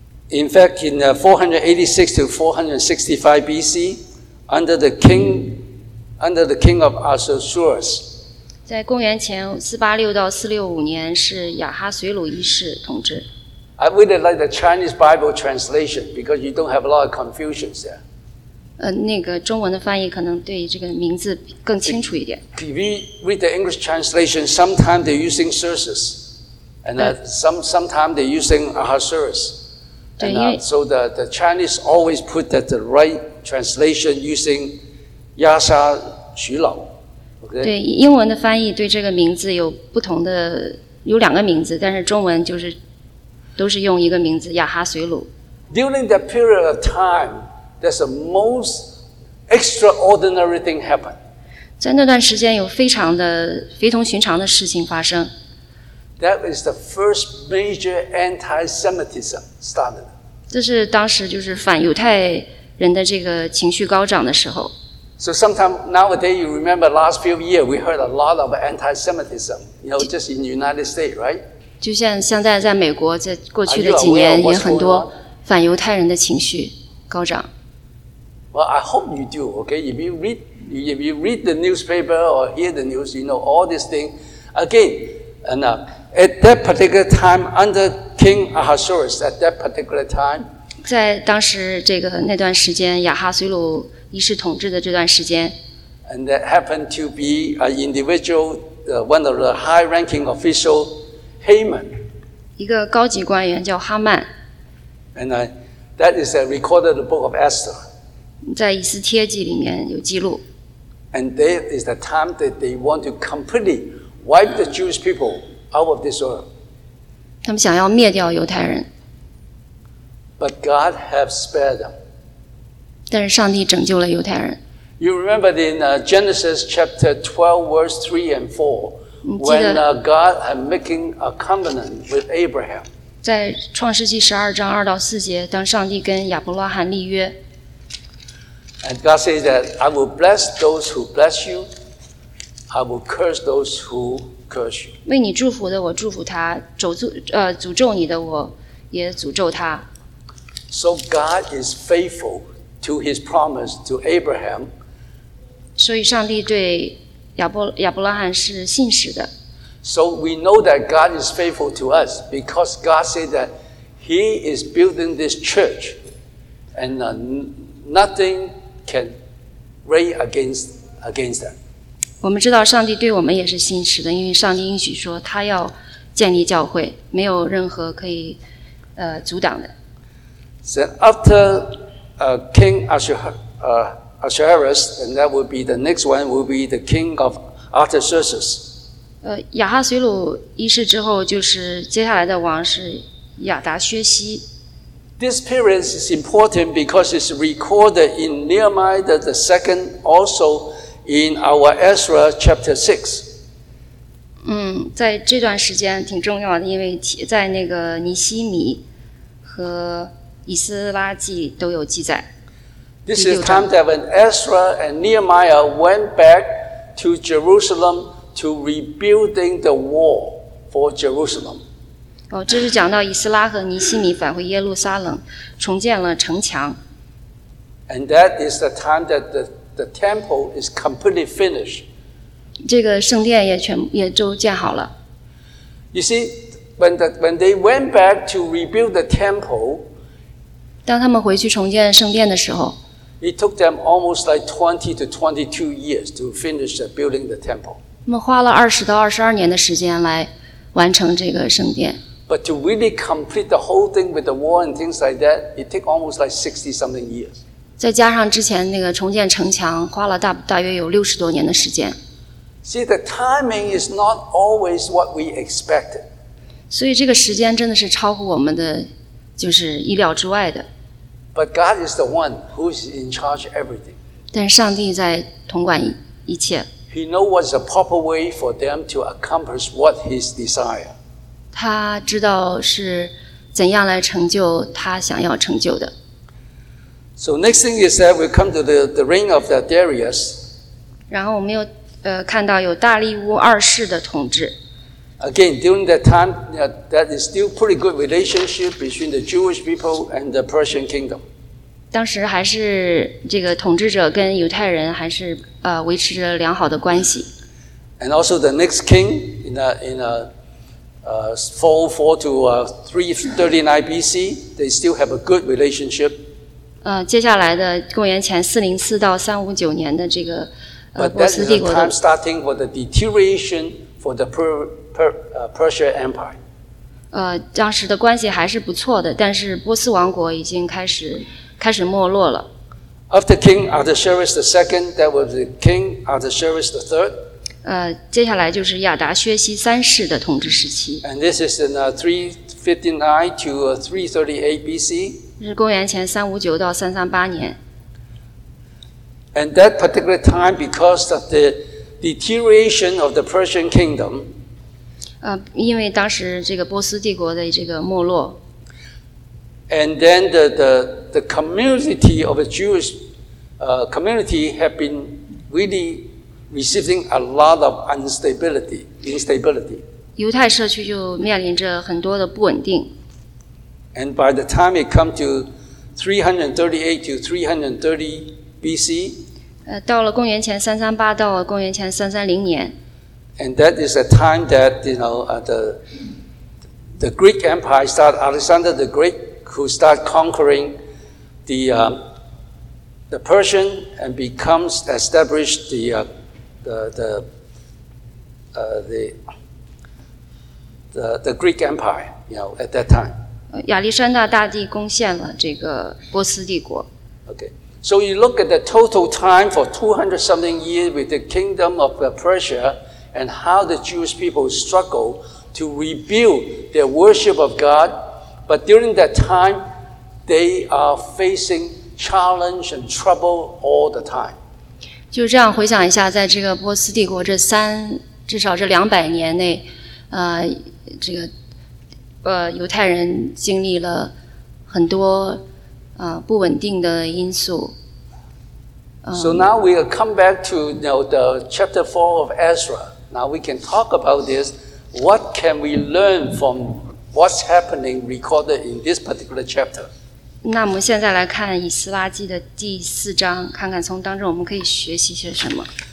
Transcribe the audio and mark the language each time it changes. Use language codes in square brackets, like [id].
[en] In fact, in 486 to 465 BC, under the king of Ahasuerus. [zh] 在公元前486到465年是亚哈随鲁一世统治。 [en] I really like the Chinese Bible translation because you don't have a lot of confusions there. [zh] 那个中文的翻译可能对这个名字更清楚一点。 [en] We read the English translation. Sometimes they're using Xerxes, and sometimes they're using Ahasuerus. So the Chinese always put that the right translation using 亚沙徐老。 [zh] 对，英文的翻译对这个名字有不同的，有两个名字，但是中文就是都是用一个名字亚哈随鲁。 [en] During that period of time, there's the most extraordinary thing happened. [zh] 在那段时间有非常的非同寻常的事情发生。 [en] That is the first major anti-Semitism started. [zh] 这是当时就是反犹太人的这个情绪高涨的时候。 [en] So sometimes nowadays you remember last few years we heard a lot of anti-Semitism, you know, just in the United States, right? [zh] 就像现在在美国，在过去的几年也很多反犹太人的情绪高涨。 [en] Well, I hope you do. Okay, if you read the newspaper or hear the news, you know all these things. Again, and at that particular time under King Ahasuerus, at that particular time, [zh] 在当时这个那段时间，亚哈随鲁一世统治的这段时间 [en] ，and that happened to be an individual, one of the high-ranking official, Haman. [zh] 一个高级官员叫哈曼。 [en] And that is recorded in the book of Esther. [zh] 在以斯帖记里面有记录。 [en] And that is the time that they want to completely wipe the Jewish people out of this earth. [zh] 他们想要灭掉犹太人。 [en] But God has spared them. [zh] 但是上帝拯救了犹太人。 [en] You remember in Genesis chapter 12, verse 3 and 4, when God had making a covenant with Abraham. [zh] 在创世纪十二章二到四节，当上帝跟亚伯拉罕立约 [en] ，And God says that I will bless those who bless you, I will curse those who curse you. [zh] 为你祝福的我祝福他，诅咒你的我也诅咒他。 [en] So God is faithful to His promise to Abraham. [zh] 所以上帝对亚伯拉罕是信实的。 [en] So we know that God is faithful to us because God said that He is building this church and nothing can rail against them. [zh] 我们知道上帝对我们也是信实的，因为上帝应许说他要建立教会，没有任何可以阻挡的。 [en] So after King Ahasuerus, and that would be the next one, will be the king of Artaxerxes. [zh] 亚哈随鲁一世之后，就是接下来的王是亚达薛西。 [en] This period is important because it's recorded in Nehemiah the second, also in our Ezra chapter 6. [zh] 在这段时间挺重要的，因为在那个尼希米和以斯拉记都有记载。 [en] This is time that when Ezra and Nehemiah went back to Jerusalem. To rebuilding the wall for Jerusalem. [zh] 哦，这是讲到以斯拉和尼希米返回耶路撒冷，重建了城墙。 [en] And that is the time that the temple is completely finished. [zh] 这个圣殿也都建好了。 [en] You see, when they went back to rebuild the temple, [zh] 当他们回去重建圣殿的时候 [en] ，it took them almost like 20 to 22 years to finish building the temple. [zh] 他们花了20到22年的时间来完成这个圣殿。 [en] But to really complete the whole thing with the wall and things like that, it took almost like 60 something years. [zh] 再加上之前那个重建城墙，花了大约有60多年的时间。 [en] See, the timing is not always what we expected. [zh] 所以这个时间真的是超乎我们的，就是意料之外的。 [en] But God is the one who is in charge of everything. [zh] 但上帝在统管一切。 [en] He knows what's the proper way for them to accomplish what his desire. [zh] 他知道是怎样来成就他想要成就的。 [en] So next thing is that we come to the reign of the Darius. [zh] 然后我们又看到有大力乌二世的统治。 [en] Again, during that time, that is still pretty good relationship between the Jewish people and the Persian kingdom. [zh] 当时还是这个统治者跟犹太人还是维持着良好的关系。 [en] And also the next king in 404 to 339 BC, they still have a good relationship. [zh] 接下来的公元前404到359年的这个波斯帝国的 [en] But that is the time starting for the deterioration for the Persia Empire. [zh] 当时的关系还是不错的，但是波斯王国已经开始没落了。 [en] After King Artaxerxes II, that was the King Artaxerxes III. [zh] 接下来就是亚达薛西三世的统治时期。 [en] And this is in 359 to 338 BC. [zh] 是公元前359到338年。 [en] And that particular time, because of the deterioration of the Persian kingdom, [zh] 因为当时这个波斯帝国的这个没落。 [en] And then the community of the Jewish community had been really receiving a lot of instability. [zh] 犹太社区就面临着很多的不稳定。 [en] And by the time it come to 338 to 330 BC, [zh] 到了公元前338到公元前330年。 [en] And that is a time that, you know, the Greek Empire started, Alexander the Great, who started conquering the Persian and becomes established the Greek Empire, you know, at that time. [zh] 亚历山大大帝攻陷了这个波斯帝国。 [en] Okay, so you look at the total time for 200 something years with the kingdom of Persia and how the Jewish people struggled to rebuild their worship of God. But during that time, they are facing challenge and trouble all the time. [zh] 就这样回想一下，在这个波斯帝国这至少这200年内，这个。犹太人经历了很多不稳定的因素。 [en] So now we will come back to, you know, the chapter 4 of Ezra. Now we can talk about this. What can we learn from what's happening recorded in this particular chapter? [zh] 那我们现在来看以斯拉记的第四章，看看从当中我们可以学习些什么。